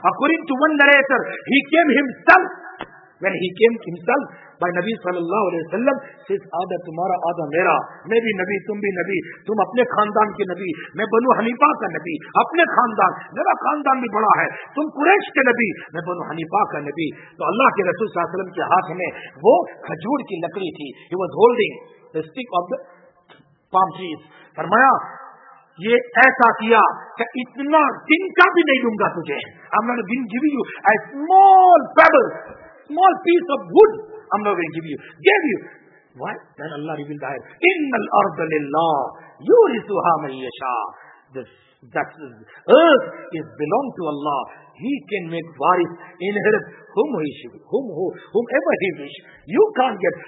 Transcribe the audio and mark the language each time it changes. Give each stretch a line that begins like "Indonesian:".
English: according to one narrator, he came himself, when he came himself by
Urdu: نبی صلی اللہ علیہ وسلم, says آدھا تمہارا آدھا میرا, میں بھی نبی تم بھی نبی, تم اپنے خاندان کے نبی, میں بنو حنیفہ کا نبی, اپنے خاندان, میرا خاندان بھی بڑا ہے, تم قریش کے نبی, میں بنو حنیفہ کا نبی. تو اللہ کے رسول صلی اللہ علیہ وسلم کے ہاتھ میں وہ کھجور کی لکڑی تھی.
English: He was holding the stick of the palm trees.
Urdu: فرمایا یہ ایسا کیا کہ اتنا دن کا بھی نہیں دوں گا تجھے.
English: I'm not going to give you a small pebble, small piece of wood, I'm not going to give you. Gave you. Why? Then Allah revealed the ayah.
Arabic: إِنَّ الْأَرْضَ لِلَّهِ يُورِثُهَا مَنْ يَشَاءُ.
English: That earth is belong to Allah. He can make waris, inherit whomever he wish. You can't get.